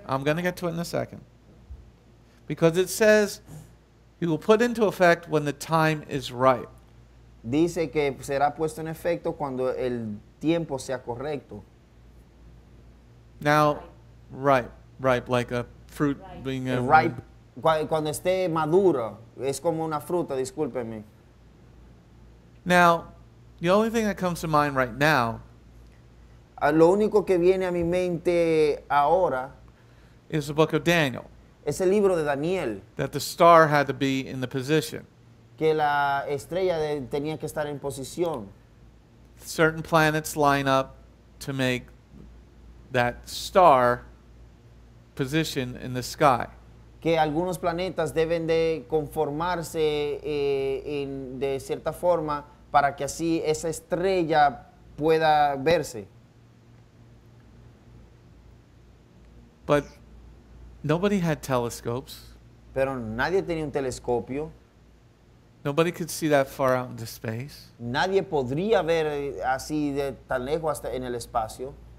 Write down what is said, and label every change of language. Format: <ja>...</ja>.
<en>I'm going to get to it in a second. Because it says he will put into effect when the time is right.</en> <es>Dice que será puesto en efecto cuando el tiempo sea correcto.</es> <en>Now, ripe, like a fruit being ripe.</en> <es>Cuando esté maduro, es como una fruta, discúlpeme.</es> <en>Now, the only thing that comes to mind right now,</en> <es>lo único que viene a mi mente ahora,</es> <en>is the book of Daniel.</en> <es>Es el libro de Daniel.</es> <en>That the star had to be in the position.</en> <es>Que la estrella tenía que estar en posición.</es> <en>Certain planets line up to make that star position in the sky.</en> <es>Que algunos planetas deben de conformarse en de cierta forma para que así esa estrella pueda verse.</es> <en>But nobody had telescopes.</en> <es>Pero nadie tenía un telescopio.</es> <en>Nobody could see that far out into space.</en> <es>Nadie podría ver así de tan lejos hasta en el espacio.</es>